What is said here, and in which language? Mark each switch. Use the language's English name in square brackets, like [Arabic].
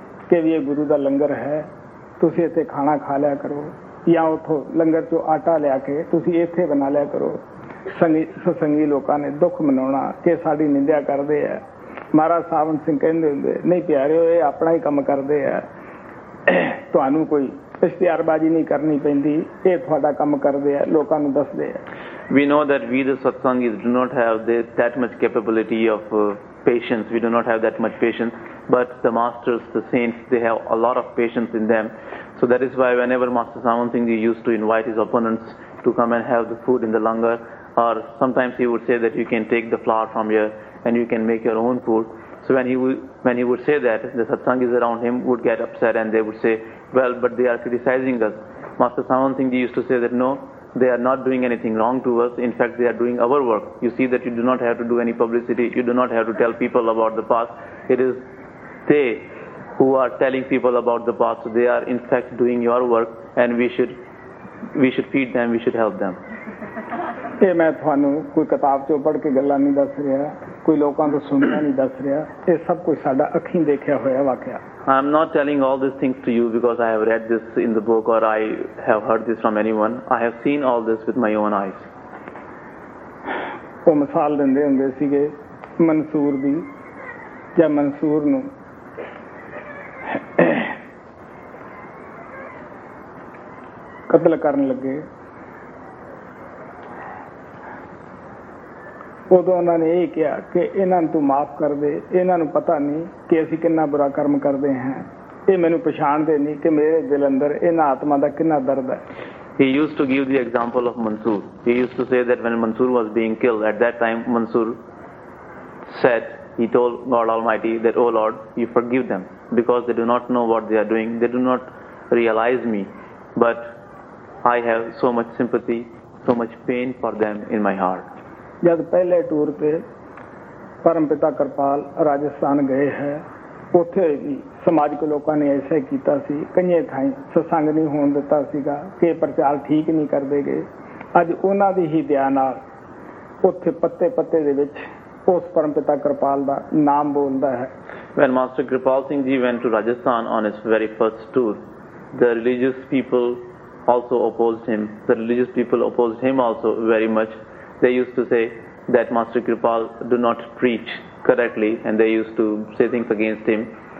[Punjabi] ਕਿ ਵੀ ਇਹ ਗੁਰੂ ਦਾ ਲੰਗਰ ਹੈ ਤੁਸੀਂ ਇੱਥੇ ਖਾਣਾ ਖਾ ਲਿਆ ਕਰੋ ਜਾਂ ਉੱਥੋਂ ਲੰਗਰ 'ਚੋਂ ਆਟਾ ਲਿਆ ਕੇ ਤੁਸੀਂ ਇੱਥੇ ਬਣਾ ਲਿਆ ਕਰੋ ਸਤਸੰਗੀ ਲੋਕਾਂ ਨੇ ਦੁੱਖ ਮਨਾਉਣਾ ਕਿ ਸਾਡੀ ਨਿੰਦਿਆ ਕਰਦੇ ਹੈ ਮਹਾਰਾਜ ਸਾਵਨ ਸਿੰਘ ਕਹਿੰਦੇ ਹੁੰਦੇ ਨਹੀਂ ਪਿਆਰਿਓ ਇਹ ਆਪਣਾ ਹੀ ਕੰਮ ਕਰਦੇ ਹੈ ਤੁਹਾਨੂੰ ਕੋਈ ਇਸ਼ਤਿਹਾਰਬਾਜ਼ੀ ਨਹੀਂ ਕਰਨੀ ਪੈਂਦੀ ਇਹ ਤੁਹਾਡਾ ਕੰਮ ਕਰਦੇ ਹੈ ਲੋਕਾਂ ਨੂੰ ਦੱਸਦੇ ਹੈ [English] We know that we, the Satsangis, do not have that much capability of patience. We do not have that much patience. But the masters, the saints, they have a lot of patience in them. So that is why whenever Master Sawan Singh used to invite his opponents to come and have the food in the langar, or sometimes he would say that you can take the flour from here and you can make your own food. So when he would say that, the Satsangis around him would get upset and they would say, well, but they are criticizing us. Master Sawan Singh used to say that, no, they are not doing anything wrong to us. In fact, they are doing our work. You see that you do not have to do any publicity. You do not have to tell people about the past. It is they who are telling people about the past. So they are, in fact, doing your work, and we should feed them, we should help them. [Punjabi] ਇਹ ਮੈਂ ਤੁਹਾਨੂੰ ਕੋਈ ਕਿਤਾਬ 'ਚੋਂ ਪੜ੍ਹ ਕੇ ਗੱਲਾਂ ਨਹੀਂ ਦੱਸ ਰਿਹਾ ਕੋਈ ਲੋਕਾਂ ਤੋਂ ਸੁਣਿਆ ਨਹੀਂ ਦੱਸ ਰਿਹਾ ਇਹ ਸਭ ਕੁਝ ਸਾਡਾ ਅੱਖੀਂ ਦੇਖਿਆ ਹੋਇਆ ਵਾਕਿਆ [English] I am not telling all this things to you because I have read this in the book or I have heard this from anyone I have seen all this with my own eyes [Punjabi] ਉਹ ਮਿਸਾਲ ਦਿੰਦੇ ਹੁੰਦੇ ਸੀਗੇ ਮਨਸੂਰ ਦੀ ਜਾਂ ਮਨਸੂਰ ਨੂੰ ਕਤਲ ਕਰਨ ਲੱਗੇ ਉਦੋਂ ਉਹਨਾਂ ਨੇ ਇਹ ਕਿਹਾ ਕਿ ਇਹਨਾਂ ਨੂੰ ਤੂੰ ਮਾਫ਼ ਕਰ ਦੇ, ਇਹਨਾਂ ਨੂੰ ਪਤਾ ਨਹੀਂ ਕਿ ਅਸੀਂ ਕਿੰਨਾ ਬੁਰਾ ਕਰਮ ਕਰਦੇ ਹਾਂ, ਇਹ ਮੈਨੂੰ ਪਛਾਣਦੇ ਨਹੀਂ ਕਿ ਮੇਰੇ ਦਿਲ ਅੰਦਰ ਇਹਨਾਂ ਆਤਮਾ ਦਾ ਕਿੰਨਾ ਦਰਦ ਹੈ. [English] He used to give the example of Mansoor. He used to say that when Mansoor was being killed, at that time Mansoor said, he told God Almighty that, "Oh Lord, you forgive them because they do not know what they are doing. They do not realize me, but I have so much sympathy, so much pain for them in my heart." [Hindi] Jab pehle tour pe Parampita Karpal Rajasthan gaye hai, [Punjabi] ਉੱਥੇ ਵੀ ਸਮਾਜਿਕ ਲੋਕਾਂ ਨੇ ਐਸਾ ਕੀਤਾ ਸੀ, ਕਈ ਥਾਈਂ ਸਤਸੰਗ ਨਹੀਂ ਹੋਣ ਦਿੱਤਾ ਸੀਗਾ ਕਿ ਪ੍ਰਚਾਰ ਠੀਕ ਨਹੀਂ ਕਰਦੇ ਗਏ. ਅੱਜ ਉਹਨਾਂ ਦੀ ਹੀ ਦਇਆ ਨਾਲ ਉੱਥੇ ਪੱਤੇ ਪੱਤੇ ਦੇ ਵਿੱਚ ਉਸ ਪਰਮ ਪਿਤਾ ਕਿਰਪਾਲ ਦਾ ਨਾਮ ਬੋਲਦਾ ਹੈ. [English] When Master Kripal Singh Ji went to Rajasthan on his very first tour, the religious people also opposed him. The religious people opposed him also very much. They used to say that Master Kripal do not preach correctly, and they used to say things against him.